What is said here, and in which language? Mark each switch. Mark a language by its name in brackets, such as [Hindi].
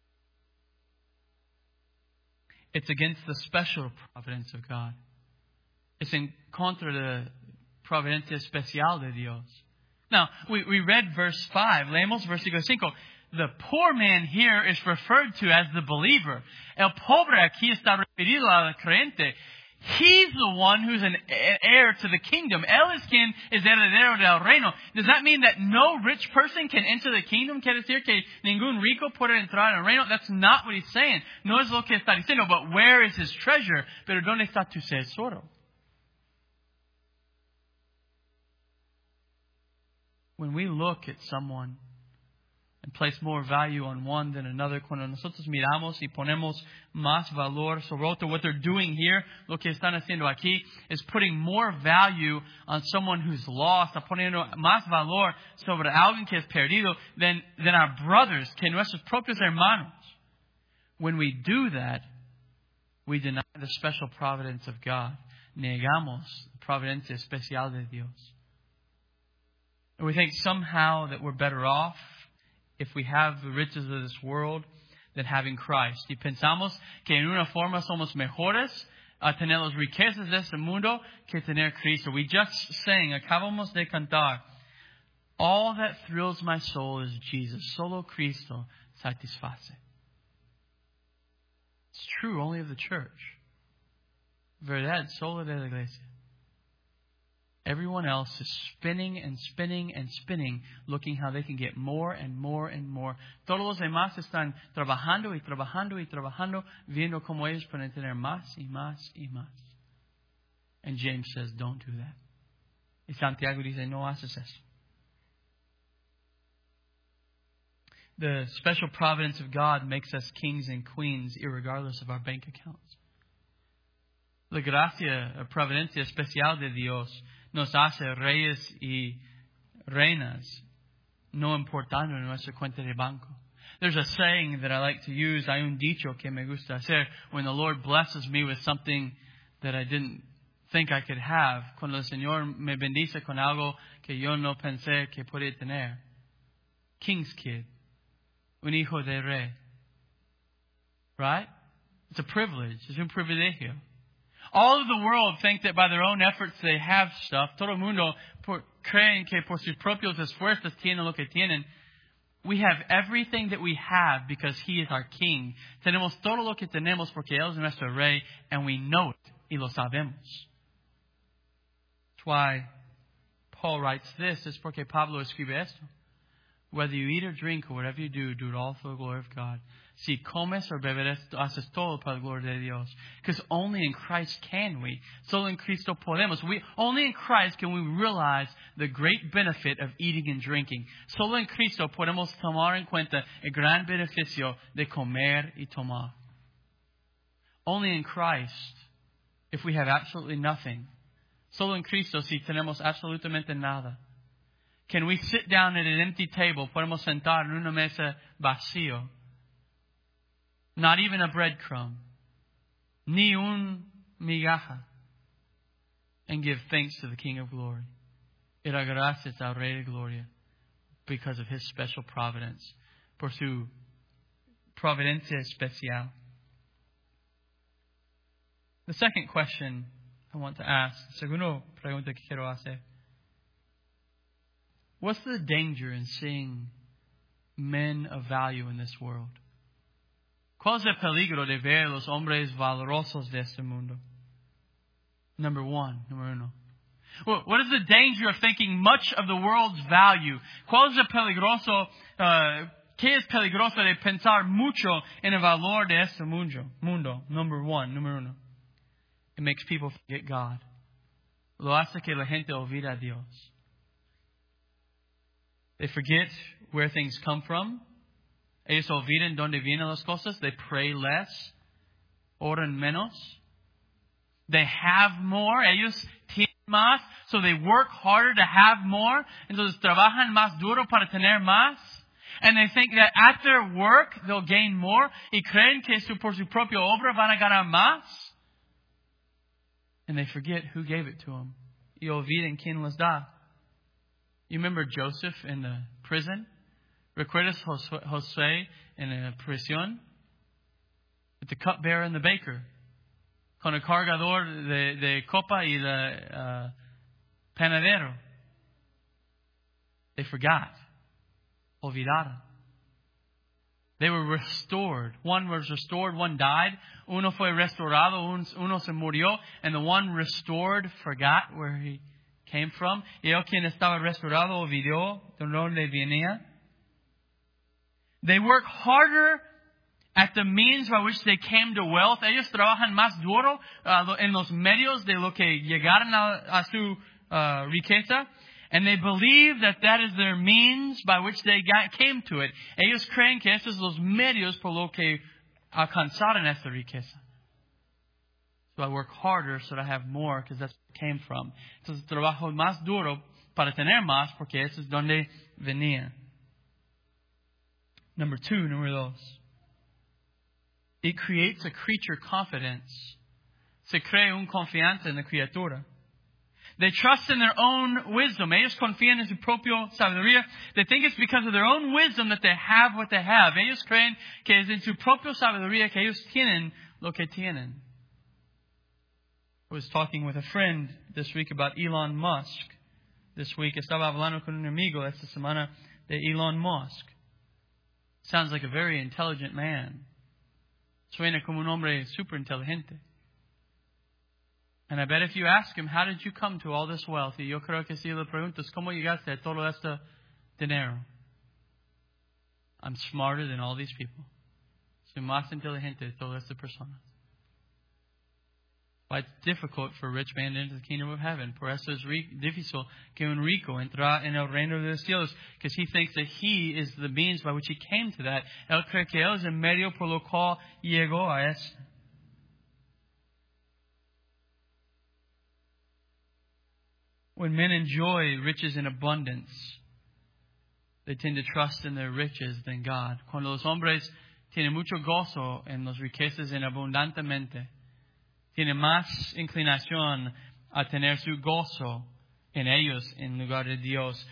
[English] Number three. It's against the special providence of God. [Spanish] Es en contra de la providencia especial de Dios. [English] Now, we read verse 5. [Spanish] Leemos versículo 5. [English] The poor man here is referred to as the believer. [Spanish] El pobre aquí está referido al creyente. [English] He's the one who's an heir to the kingdom. [Spanish] Él es quien es heredero del reino. [English] Does that mean that no rich person can enter the kingdom? [Spanish] ¿Quiere decir que ningún rico puede entrar en el reino? [English] That's not what he's saying. [Spanish] No es lo que está diciendo. [English] But where is his treasure? [Spanish] Pero ¿dónde está tu tesoro? [English] When we look at someone and place more value on one than another, [Spanish] cuando nosotros miramos y ponemos más valor sobre otro, [English] what they're doing here, [Spanish] lo que están haciendo aquí, [English] is putting more value on someone who's lost, [Spanish] poniendo más valor sobre alguien que es perdido [English] than our brothers, [Spanish] que nuestros propios hermanos. [English] When we do that, we deny the special providence of God. [Spanish] Negamos la providencia especial de Dios. [English] And we think somehow that we're better off if we have the riches of this world than having Christ. [Spanish] Y pensamos que en una forma somos mejores a tener las riquezas de este mundo que tener Cristo. [English] We just sang, [Spanish] acabamos de cantar, [English] all that thrills my soul is Jesus. [Spanish] Solo Cristo satisface. [English] It's true only of the church. [Spanish] Verdad, solo de la iglesia. [English] Everyone else is spinning and spinning and spinning, looking how they can get more and more and more. [Spanish] Todos los demás están trabajando y trabajando y trabajando, viendo cómo ellos pueden tener más y más y más. [English] And James says, don't do that. [Spanish] Y Santiago dice, no haces eso. [English] The special providence of God makes us kings and queens, irregardless of our bank accounts. [Spanish] La gracia, la providencia especial de Dios, nos hace reyes y reinas, no importando nuestra cuenta de banco. [English] There's a saying that I like to use, [Spanish] hay un dicho que me gusta hacer, [English] when the Lord blesses me with something that I didn't think I could have, [Spanish] cuando el Señor me bendice con algo que yo no pensé que podía tener. [English] King's kid, [Spanish] un hijo de rey. [English] Right? It's a privilege, [Spanish] es un privilegio. [English] All of the world think that by their own efforts they have stuff. [Spanish] Todo mundo creen que por sus propios esfuerzos tienen lo que tienen. [English] We have everything that we have because He is our King. [Spanish] Tenemos todo lo que tenemos porque Él es nuestro Rey, [English] and we know it [Spanish] y lo sabemos. [English] That's why Paul writes this. [Spanish] It's porque Pablo escribe esto. [English] Whether you eat or drink or whatever you do, do it all for the glory of God. [Spanish] Si comes o bebes, haces todo para la gloria de Dios. [English] Because only in Christ can we. [Spanish] Solo en Cristo podemos. [English] Only in Christ can we realize the great benefit of eating and drinking. [Spanish] Solo en Cristo podemos tomar en cuenta el gran beneficio de comer y tomar. [English] Only in Christ, if we have absolutely nothing. [Spanish] Solo en Cristo, si tenemos absolutamente nada. [English] Can we sit down at an empty table? [Spanish] Podemos sentar en una mesa vacío. [English] Not even a breadcrumb. [Spanish] Ni un migaja. [English] And give thanks to the King of Glory. [Spanish] Y dar gracias al Rey de Gloria. [English] Because of His special providence. [Spanish] Por su providencia especial. [English] The second question I want to ask. [Spanish] Segunda pregunta que quiero hacer. [English] What's the danger in seeing men of value in this world? [Spanish] ¿Cuál es el peligro de ver los hombres valerosos de este mundo? [English] Number one. Well, what is the danger of thinking much of the world's value? [Spanish] ¿Cuál es el peligroso? ¿Qué es peligroso de pensar mucho en el valor de este mundo? [English] Number one. It makes people forget God. [Spanish] Lo hace que la gente olvide a Dios. [English] They forget where things come from. [Spanish] Ellos olvidan donde vienen las cosas. [English] They pray less. [Spanish] Oran menos. [English] They have more. [Spanish] Ellos tienen más. [English] So they work harder to have more. [Spanish] Entonces trabajan más duro para tener más. [English] And they think that at their work, they'll gain more. [Spanish] Y creen que por su propia obra van a ganar más. [English] And they forget who gave it to them. [Spanish] Y olvidan quién les da. [English] You remember Joseph in the prison? [Spanish] ¿Recuerdas José en la prisión? [English] With the cupbearer and the baker. [Spanish] Con el cargador de copa y el panadero. [English] They forgot. [Spanish] Olvidaron. [English] They were restored. One was restored, one died. [Spanish] Uno fue restaurado, uno se murió. [English] And the one restored forgot where he came from. [Spanish] Y él quien estaba restaurado olvidó de donde venía. [English] They work harder at the means by which they came to wealth. [Spanish] Ellos trabajan más duro en los medios de lo que llegaron a su riqueza. [English] And they believe that that is their means by which they came to it. [Spanish] Ellos creen que estos son los medios por lo que alcanzaron esta riqueza. [English] So I work harder so that I have more because that's where I came from. [Spanish] Entonces trabajo más duro para tener más porque eso es donde venía. [English] Number dos. It creates a creature confidence. [Spanish] Se crea un confianza en la criatura. [English] They trust in their own wisdom. [Spanish] Ellos confían en su propia sabiduría. [English] They think it's because of their own wisdom that they have what they have. [Spanish] Ellos creen que es en su propia sabiduría que ellos tienen lo que tienen. [English] I was talking with a friend this week about Elon Musk. This week, [Spanish] estaba hablando con un amigo esta semana de Elon Musk. [English] Sounds like a very intelligent man. [Spanish] Suena como un hombre super inteligente. [English] And I bet if you ask him, how did you come to all this wealth? [Spanish] Y yo creo que si le preguntas, ¿cómo llegaste a todo este dinero? [English] I'm smarter than all these people. [Spanish] Soy más inteligente de todas estas personas. [English] But it's difficult for a rich man to enter the kingdom of heaven. [Spanish] Por eso es difícil que un rico entra en el reino de los cielos. [English] Because he thinks that he is the means by which he came to that. [Spanish] Él cree que él es el medio por lo cual llegó a eso. [English] When men enjoy riches in abundance, they tend to trust in their riches than God. [Spanish] Cuando los hombres tienen mucho gozo en las riquezas en abundantemente, tiene más inclinación a tener su gozo en ellos en lugar de Dios.